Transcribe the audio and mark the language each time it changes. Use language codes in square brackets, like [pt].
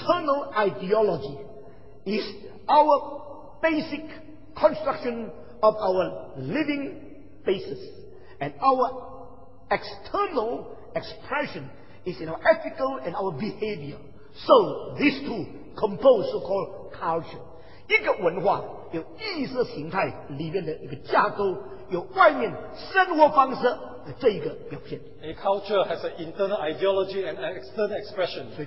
[en] Our internal ideology is our basic construction of our living basis. And our external expression is in our ethical and our behavior. So these two compose so-called culture. [zh] 一个文化有意识形态里面的一个架构，有外面生活方式的这一个表现。 [en] A culture has an internal ideology and an external expression.